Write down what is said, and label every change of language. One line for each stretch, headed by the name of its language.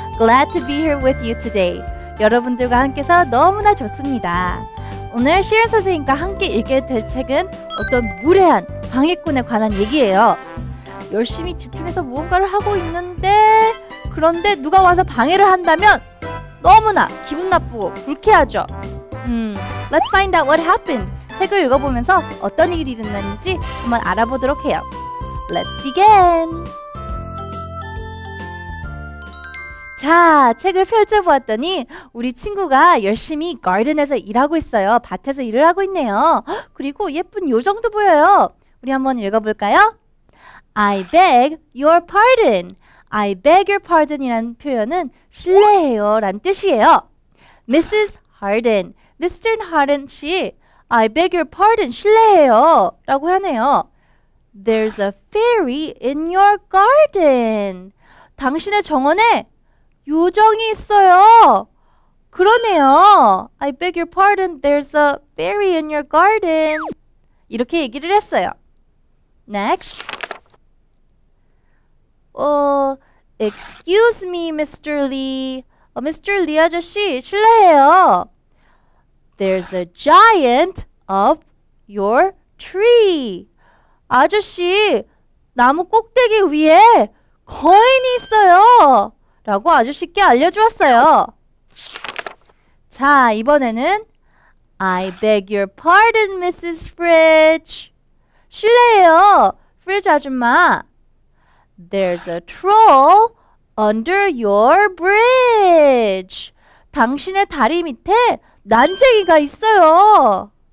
English: Glad to be here with you today.
Korean: 여러분들과 함께서 너무나 좋습니다. 오늘 시은 선생님과 함께 읽게 될 책은 어떤 무례한 방해꾼에 관한 얘기예요. 열심히 집중해서 무언가를 하고 있는데 그런데 누가 와서 방해를 한다면 너무나 기분 나쁘고 불쾌하죠.
English: Let's find out what happened.
Korean: 책을 읽어보면서 어떤 일이 일어났는지 한번 알아보도록 해요.
English: Let's begin!
Korean: 자, 책을 펼쳐보았더니 우리 친구가 열심히 가든에서 일하고 있어요. 밭에서 일을 하고 있네요. 그리고 예쁜 요정도 보여요. 우리 한번 읽어볼까요?
English: I beg your pardon. I beg your pardon
Korean: 이라는 표현은 실례해요 라는 뜻이에요.
English: Mrs. Harden. Mr. Harden 씨, I beg your pardon.
Korean: 실례해요 라고 하네요.
English: There's a fairy in your garden.
Korean: 당신의 정원에 요정이 있어요. 그러네요.
English: I beg your pardon. There's a fairy in your garden.
Korean: 이렇게 얘기를 했어요. Next.
English: Excuse me, Mr. Lee. Mr.
Korean: Lee 아저씨, 실례해요.
English: There's a giant up your tree.
Korean: 아저씨, 나무 꼭대기 위에 거인이 있어요. 라고 아주 쉽게 알려주었어요.
English: 자, 이번에는 I beg your pardon, Mrs. Fridge.
Korean: 실례해요, Fridge 아줌마.
English: There's a troll under your bridge.
Korean: 당신의 다리 밑에 난쟁이가 있어요.